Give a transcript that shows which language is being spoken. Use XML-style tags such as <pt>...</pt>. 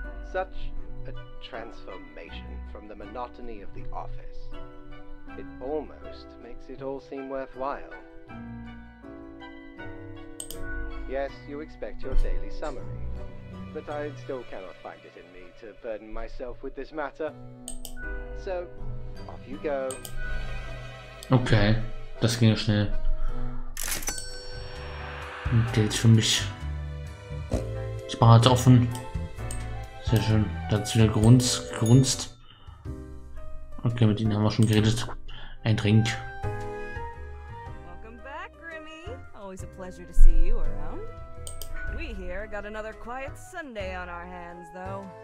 <en>Such a transformation from the monotony of the office. It almost makes it all seem worthwhile. Yes, you expect your daily summary, but I still cannot find it in me to burden myself with this matter. So, off you go.</en> <de>Okay, das ging ja schnell. Geld für mich. Bart offen. Sehr schön. Da hat es wieder gerunzt. Okay, mit ihnen haben wir schon geredet. Ein Drink.</de> <en>Welcome back, Grimmy. Always a pleasure to see you around. We here got another quiet Sunday on our hands, though.</en>